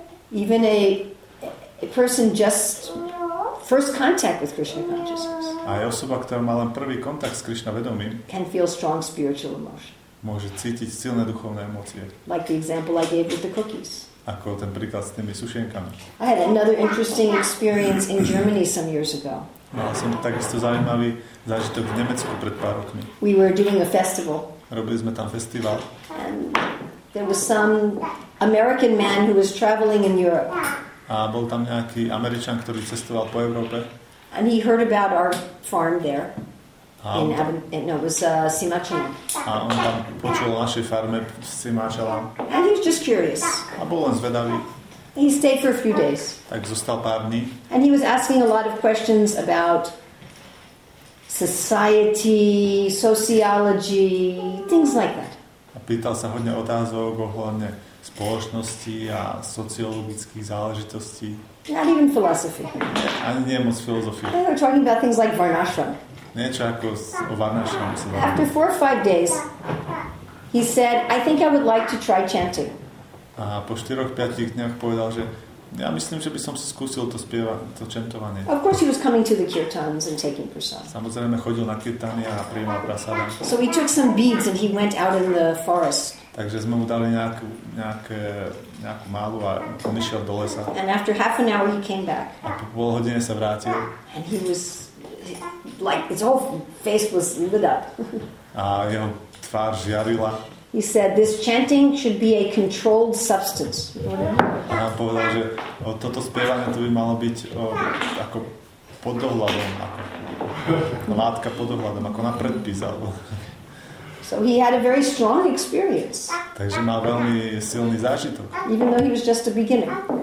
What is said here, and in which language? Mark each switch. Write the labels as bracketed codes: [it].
[en] Even a person just first contact with Krishna consciousness. [sk] A osoba, ktorá má len prvý kontakt s Krishna vedomím, [en] can feel strong spiritual emotion. [sk] Môže cítiť silné duchovné emócie. [en] Like the example I gave with the cookies. [sk] Ako ten príklad s tými sušenkami. [en] I had another interesting experience in Germany some years ago. [sk] Mal som takisto zaujímavý zážitok v Nemecku pred pár rokmi. [en] We were doing a festival. [sk] Robili sme tam festival. [en] And there was some American man who was traveling in Europe. [sk] A bol tam nejaký Američan, ktorý cestoval po Európe. [en] And he heard about our farm there. It was Simačalam. [sk] A on tam počul o našej farme v Simačalam. [en] And he was just curious. [sk] A bol len zvedavý. [en] He stayed for a few days. [sk] Tak zostal pár dní. [en] And he was asking a lot of questions about society, sociology, things like that. [sk] A pýtal sa hodne otázok ohľadne spoločnosti a sociologických záležitostí. [en] Not even philosophy. [sk] Ani nie moc filozofie. [en] They were talking about things like varnashram. [sk] Niečo ako o varnashram. [en] After 4 or 5 days, he said, I think I would like to try chanting. [sk] A po 4-5 dňoch povedal, že ja myslím, že by som si skúsil to spievať, to čentovanie. [en] Of course he was coming to the kirtans and taking prasadam. [sk] Samozrejme chodil na kirtany a prijímal prasadam. [en] So he took some beads and he went out in the forest. [sk] Takže sme mu dali nejakú malú a on išiel do lesa. [en] And after half an hour he came back. [sk] A po pol hodine sa vrátil. [en] And he was like his whole face was lit up. [sk] A jeho tvár žiarila. [en] He said this chanting should be a controlled substance. [sk] A povedal, že toto spievanie to by malo byť ako pod dohľadom, ako látka pod dohľadom, ako na predpis. [en] So he had a very strong experience. [sk] Takže mal veľmi silný zážitok. [en] Even though he was just a beginner.